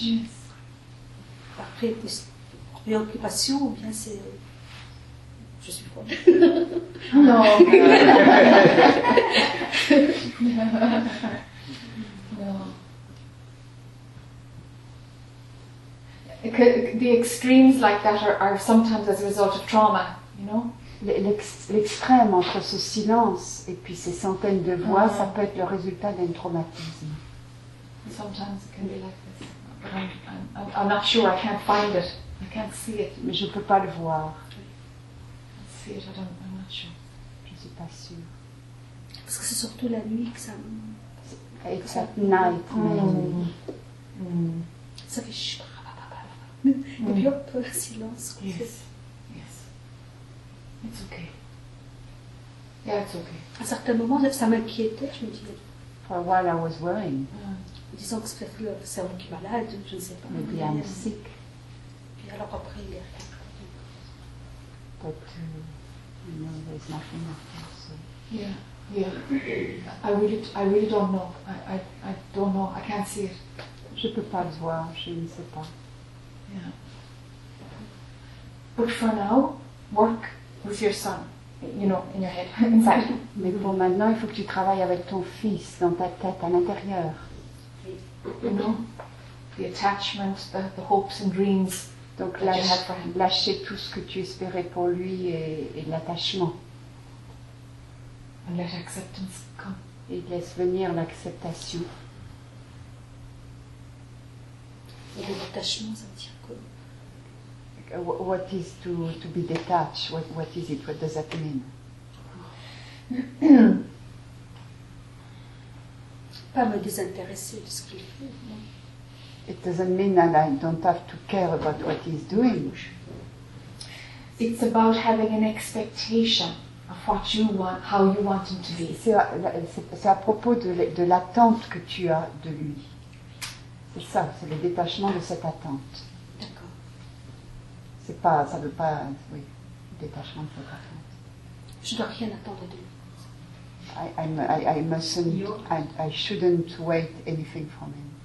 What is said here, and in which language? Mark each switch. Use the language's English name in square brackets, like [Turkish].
[English] Yes. [French] Après, c'est préoccupation ou bien c'est... Je suis folle. Non. [English] The extremes like that are sometimes as a result of trauma, you know? [French] L'extrême entre ce silence et puis ces centaines de voix, ça peut être le résultat d'un traumatisme. [English] Sometimes it can be like this. I'm not sure, I can't find it. I can't see it. [French] Mais je ne peux pas le voir. [English] I'm not sure. [French] Je ne suis pas sûre. Parce que c'est surtout la nuit que ça... [English] It's at night, [French] Ça fait chut. Et puis hop, silence. [English] It's okay. Yeah, it's okay. [French] À certains moments, ça m'inquiétait, je me disais. [English] For a while, I was worrying. [French] Disons que c'est le cerveau qui est malade, je ne sais pas. [English] Maybe I'm sick. [French] Puis alors après, il y a rien. [English] But, you know, there's nothing after, so. Yeah. I really don't know. I don't know. I can't see it. [French] Je ne peux pas le voir, je ne sais pas. [English] Yeah. But for now, work. With your son, you know, in your head, inside. [French] Mais pour maintenant, il faut que tu travailles avec ton fils dans ta tête, à l'intérieur. [English] You know, the attachment, the hopes and dreams. [French] Donc lâcher tout ce que tu espérais pour lui et l'attachement. [English] And let acceptance come. [French] Et laisse venir l'acceptation. Et l'attachement, ça veut dire quoi? [English] What is to be detached? What is it? What does that mean? [French] Pas me désintéresser de ce qu'il fait. [English] It doesn't mean that I don't have to care about what he's doing. It's about having an expectation of what you want, how you want him to be. [French] C'est à propos de l'attente que tu as de lui. C'est ça, c'est le détachement de cette attente. C'est pas, ça veut pas, oui, détachement de cette attente. Je dois rien attendre de lui. [English] I shouldn't wait anything from him.